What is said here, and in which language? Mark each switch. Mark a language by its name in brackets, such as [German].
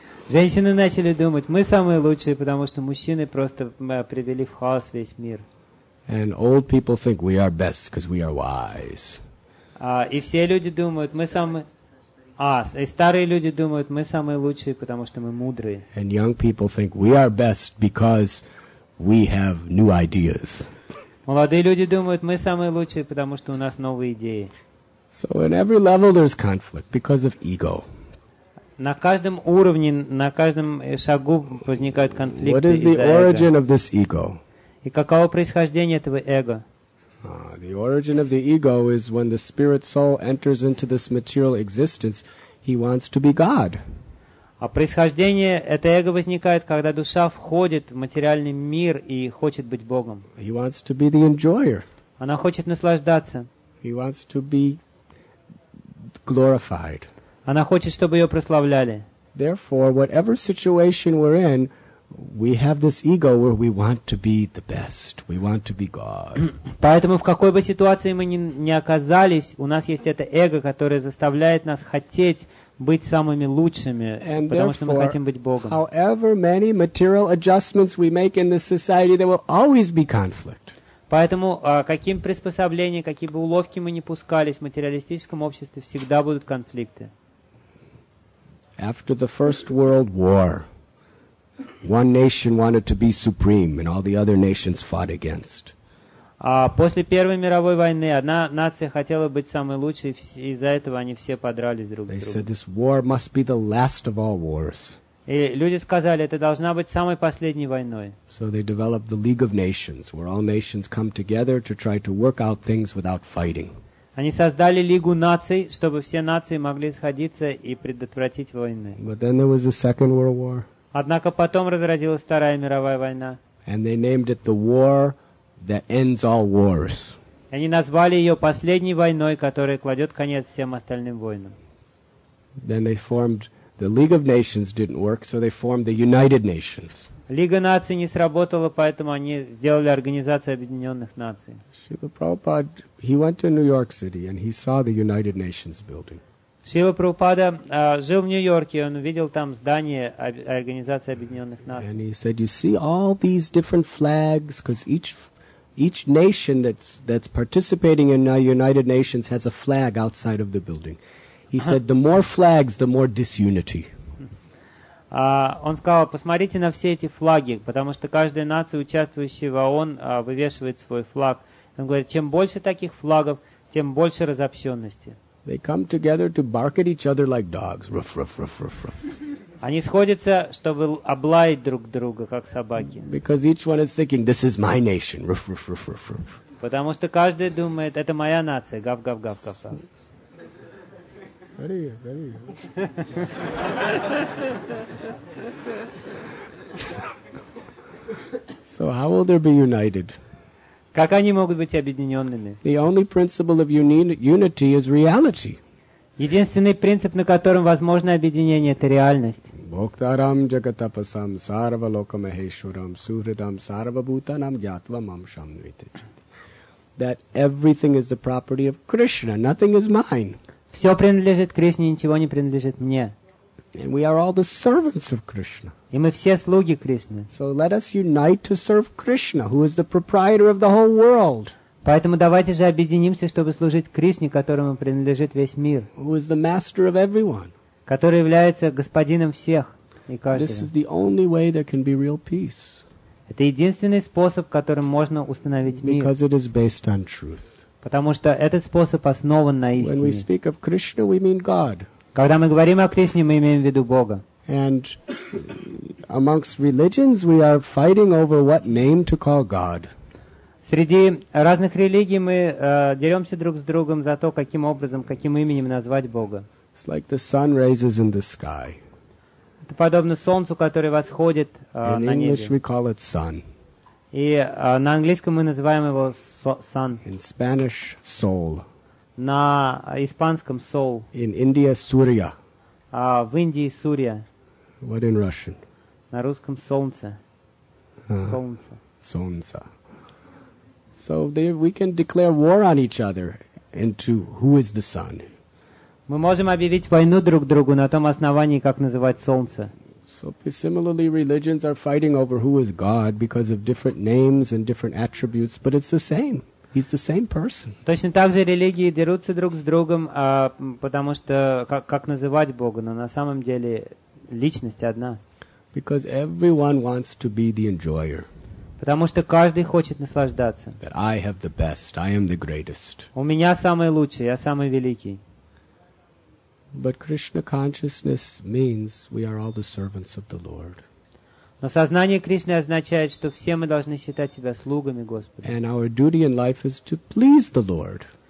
[Russian] Женщины начали думать, мы самые лучшие, потому что мужчины просто привели в хаос весь мир. [English] And old people think we are best because we are wise. [Russian] И все люди думают, мы самые и старые люди думают, мы самые лучшие, потому что мы мудрые. [English] And young people think we are best because we have new ideas. [Russian] Молодые люди думают, мы самые лучшие, потому что у нас новые идеи. [English] So in every level there's conflict because of ego. [Russian] На каждом уровне, на каждом шагу возникают конфликты из-за [English] эго. What is the origin of this ego? [Russian] И каково происхождение этого эго? [English] The origin of the ego is when the spirit soul enters into this material existence, he wants to be God. [Russian] А происхождение это эго возникает, когда душа входит в материальный мир и хочет быть Богом. [English] He wants to be the enjoyer. [Russian] Она хочет наслаждаться. [English] He wants to be glorified. [Russian] Она хочет, чтобы ее прославляли. [English] Therefore, whatever situation we're in, we have this ego where we want to be the best. We want to be God. [Russian] Поэтому в какой бы ситуации мы ни оказались, у нас есть это эго, которое заставляет нас хотеть быть самыми лучшими, потому что мы хотим быть Богом. [English] However many material adjustments we make in this society, there will always be conflict. [Russian] Поэтому каким приспособлением, какие бы уловки мы ни пускались, в материалистическом обществе всегда будут конфликты. [English] After the First World War, one nation wanted to be supreme, and all the other nations fought against. [Russian] После Первой мировой войны одна нация хотела быть самой лучшей, и из-за этого они все подрались друг с другом. [English] They said this war must be the last of all wars. [Russian] И люди сказали, это должна быть самой последней войной. [English] So they developed the League of Nations, where all nations come together to try to work out things without fighting. [Russian] Они создали Лигу наций, чтобы все нации могли сходиться и предотвратить войны. [English] But then there was the Second World War. [Russian] Однако потом разразилась Вторая мировая война. [English] And they named it the war that ends all wars. [Russian] Они назвали ее последней войной, которая кладет конец всем остальным войнам. [English] Then they formed the League of Nations didn't work, so they formed the United Nations. [Russian] Лига наций не сработала, поэтому они сделали Организацию Объединенных Наций. [English] Шрила Прабхупада, he went to New York City and he saw the United Nations building. [Russian] Шрила Прабхупада жил в Нью-Йорке, он увидел там здание Организации Объединенных Наций. [English] And he said, you see all these different flags, because each nation that's participating in the United Nations has a flag outside of the building. He said, the more flags, the more disunity. [Russian] Он сказал, посмотрите на все эти флаги, потому что каждая нация, участвующая в ООН, вывешивает свой флаг. Он говорит, чем больше таких флагов, тем больше разобщенности. [English] They come together to bark at each other like dogs. Ruff, ruff, ruff, ruff, ruff. [Russian] Они сходятся, чтобы облаять друг друга, как собаки. [English] Because each one is thinking, this is my nation. Ruff, ruff, ruff, ruff, ruff. [Russian] Потому что каждый думает, это моя нация. Гав, гав, гав, гав. [English] So how will there be united? [Russian] Как они могут быть объединенными? [English] The only principle of unity is reality. [Russian] Единственный принцип, на котором возможно объединение, это реальность. [Sanskrit] Бхоктарам джагатапасам сарва локамахешварам сухридам сарва бутанам гьятвамам шамвити. [English] That everything is the property of Krishna, nothing is mine. [Russian] Все принадлежит Кришне, ничего не принадлежит мне. [English] And we are all the servants of Krishna. [Russian] И мы все слуги Кришны. [English] So let us unite to serve Krishna, who is the proprietor of the whole world. [Russian] Поэтому давайте же объединимся, чтобы служить Кришне, которому принадлежит весь мир. [English] Who is the master of everyone. [Russian] Который является господином всех и каждого. [English] This is the only way there can be real peace. [Russian] Это единственный способ, которым можно установить мир. [English] Because it is based on truth. [Russian] Потому что этот способ основан на истине. [English] When we speak of Krishna, we mean God. [Russian] Когда мы говорим о Кришне, мы имеем в виду Бога. [English] And amongst religions, we are fighting over what name to call God. [Russian] Среди разных религий мы деремся друг с другом за то, каким образом, каким именем назвать Бога. [English] It's like the sun rises in the sky. [Russian] Это подобно солнцу, которое восходит на небе. [English] In English, we call it sun. [Russian] И на английском мы называем его sun. [English] In Spanish, soul. [Russian] На испанском soul. [English] In India, Surya. [Russian] В Индии Сурья. [English] What in Russian? [Russian] На русском солнце. Солнце. Солнце. [English] So there we can declare war on each other into who is the sun. [Russian] Мы можем объявить войну друг другу на том основании, как называть солнце. [English] So similarly, religions are fighting over who is God because of different names and different attributes, but it's the same. He's the same person. [Russian] Точно так же религии дерутся друг с другом, потому что как называть Бога, но на самом деле личность одна. [English] Because everyone wants to be the enjoyer. [Russian] Потому что каждый хочет наслаждаться. [English] That I have the best, I am the greatest. [Russian] У меня самый лучший, я самый великий. [English] But Krishna consciousness means we are all the servants of the Lord. [Russian] Но сознание Кришны означает, что все мы должны считать себя слугами Господа. [English] And our duty in life is to please the Lord.